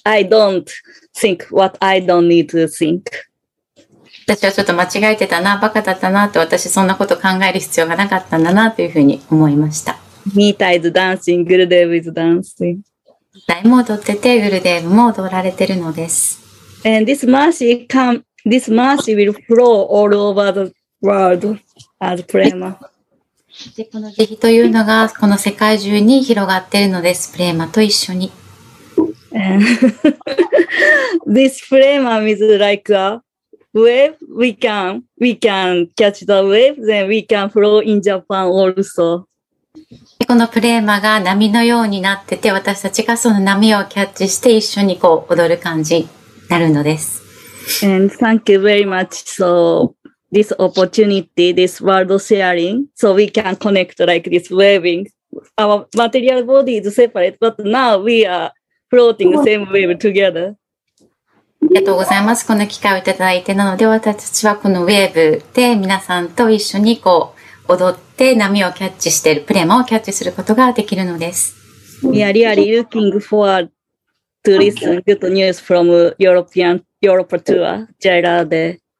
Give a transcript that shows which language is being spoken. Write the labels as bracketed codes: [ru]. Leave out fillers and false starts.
[en] I don't think what I don't need to think. [ja] 私はちょっと間違えてたな、バカだったなと、私そんなこと考える必要がなかったんだなというふうに思いました。 [en] Nita is dancing. Gurudev is dancing. [ja] ダイも踊ってて、Gurudev も踊られてるのです。 [en] And this mercy come, this mercy will flow all over the world as prema. [ja] でこの慈悲というのがこの世界中に広がっているのです、プレーマと一緒に。 [en] This flame is like a wave. We can catch the wave, then we can flow in Japan also. [ja] でこのプレーマが波のようになってて、私たちがその波をキャッチして一緒にこう踊る感じになるのです。 [en] And thank you very much. So. This opportunity, this world sharing, so we can connect like this waving. Our material body is separate, but now we are floating the same wave together. [ja] ありがとうございます。この機会をいただいて、なので私たちはこのウェーブで皆さんと一緒にこう踊って波をキャッチしている、プレマをキャッチすることができるのです。 [en] We are really looking forward to listen good news from European, Europe tour, Jairade.